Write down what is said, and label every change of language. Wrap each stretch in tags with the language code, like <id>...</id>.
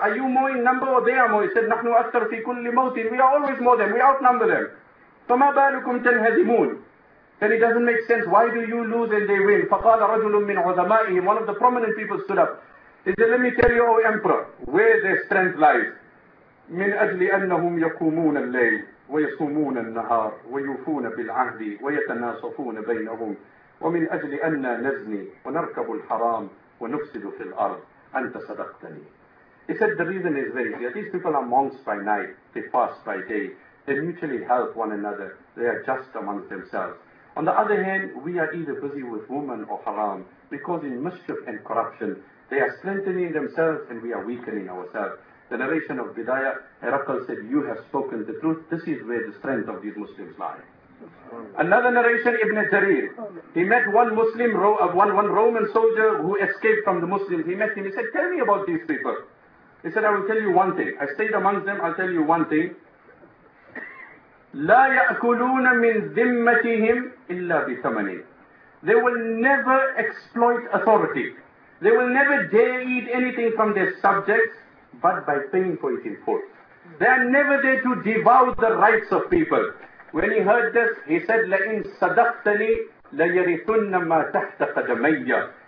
<en>Are you more in number or they are more? He said,</en> <ar>نحن أكثر في كل موت.</ar> <en>We are always more than. We outnumber them.</en> <ar>فما بالكم تنهزمون?</ar> <en>Then it doesn't make sense. Why do you lose and they win?</en> <ar>فقال رجل من عظمائهم.</ar> <en>One of the prominent people stood up. He said, let me tell you, O Emperor, where their strength lies.</en> <ar>من أجل أنهم يقومون الليل ويصومون النهار ويوفون بالعهد ويتناصفون بينهم ومن أجل أن نزني ونركب الحرام ونفسد في الأرض أنت صدقتني.</ar> <en>He said, the reason is very clear. These people are monks by night, they fast by day, they mutually help one another, they are just amongst themselves. On the other hand, we are either busy with women or haram, because in mischief and corruption, they are strengthening themselves and we are weakening ourselves. The narration of Bidayah, Herakl said, you have spoken the truth. This is where the strength of these Muslims lie. Another narration, Ibn Jarir. He met one Roman soldier who escaped from the Muslims. He met him. He said, tell me about these people. He said, I will tell you one thing. I stayed amongst them. I'll tell you one thing.</en> <ar>لا يأكلون من ذمتهم إلا بثمنه.</ar> <en>They will never exploit authority. They will never dare eat anything from their subjects but by paying for it in full. They are never there to devour the rights of people. When he heard this, he said,</en> <ar>لَإِن صَدَقْتَنِي لَيَرِثُنَّ مَا تَحْتَ قَدَمَيَّ.</ar>